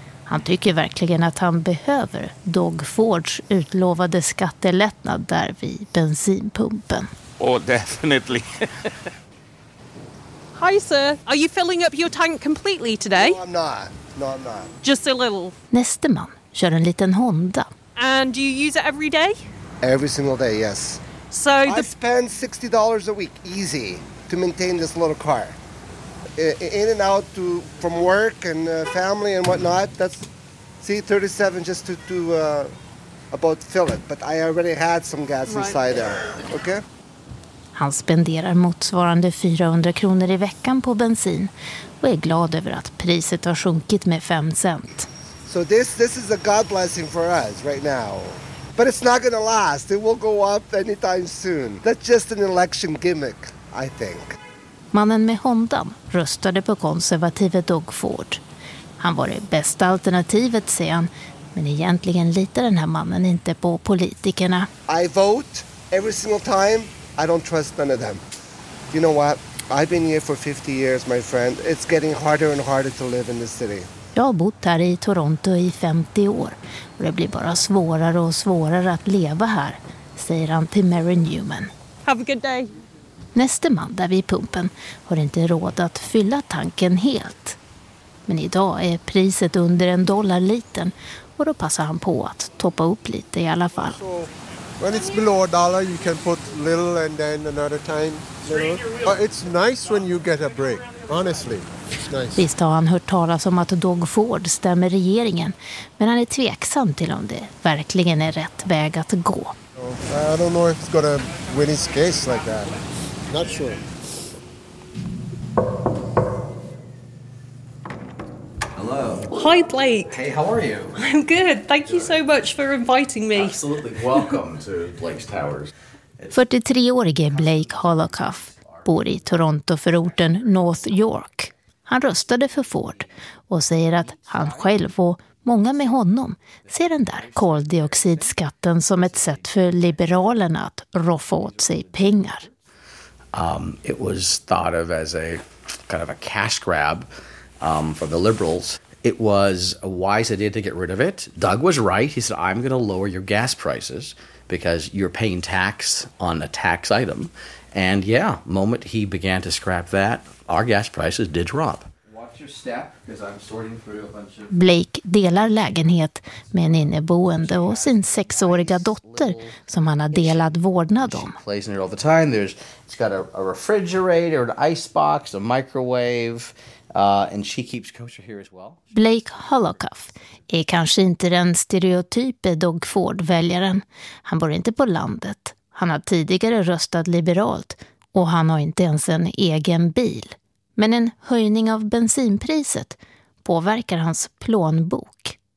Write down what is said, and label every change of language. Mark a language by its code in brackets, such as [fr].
[sv] Han tycker verkligen att han behöver Doug Fords utlovade skattelättnad där vid bensinpumpen. [en] Oh, definitely. Hi, sir. Are you filling up your tank completely today? No, I'm not. No, just a little. [sv] Nästa man kör en liten Honda. [en] And do you use it every day? Every single day, yes. So I spend $60 a week, easy, to maintain this little car. In and out to from work and family and whatnot. That's see 37 just to about fill it. But I already had some gas right. Inside there. Okay. [sv] Han spenderar motsvarande 400 kronor i veckan på bensin. Och är glad över att priset har sjunkit med 5 cent. [en] So this is a God blessing for us right now. But it's not gonna last. It will go up anytime soon. That's just an election gimmick, I think. [sv] Mannen med Hondan röstade på konservative Doug Ford. Han var det bästa alternativet, säger han. Men egentligen litar den här mannen inte på politikerna. [en] I vote every single time. I don't trust none of them. You know what? I've been here for 50 years, my friend. It's getting harder and harder to live in this city. [sv] Jag har bott här i Toronto i 50 år. Och det blir bara svårare och svårare att leva här, säger han till Mary Newman. [en] Have a good day. [sv] Nästa man där vid pumpen har inte råd att fylla tanken helt. Men idag är priset under en dollar liten. Och då passar han på att toppa upp lite i alla fall. [en] When it's below a dollar, you can put little and then another time. But it's nice when you get a break, honestly. Nice. [sv] Visst har han hört talas om att Doug Ford stämmer regeringen, men han är tveksam till om det verkligen är rätt väg att gå. [en] I don't know if it's gonna win his case like that. Not sure. Hello. Hi, Blake. Hey, how are you? I'm good. Thank you so much for inviting me. Absolutely. Welcome to Blake's Towers. [sv] 43-årige Blake Holocuff bor i Toronto för orten North York. Han röstade för Ford och säger att han själv och många med honom ser den där koldioxidskatten som ett sätt för liberalerna att roffa åt sig pengar. [en] It was thought of as a kind of a cash grab for the liberals. It was a wise idea to get rid of it. Doug was right. He said, I'm going to lower your gas prices because you're paying tax on a tax item. And yeah, moment he began to scrap that, our gas prices did drop. Watch your step, because I'm sorting through a bunch of... [sv] Blake delar lägenhet med en inneboende och sin 6-åriga dotter som han har delat vårdnad om. [en] She plays in it all the time. It's got a refrigerator, an icebox, a microwave... and she keeps kosher here as well. [sv] Blake Holocuff är kanske inte den stereotype Doug Ford-väljaren. Han bor inte på landet. Han har tidigare röstat liberalt och han har inte ens en egen bil. Men en höjning av bensinpriset påverkar hans plånbok.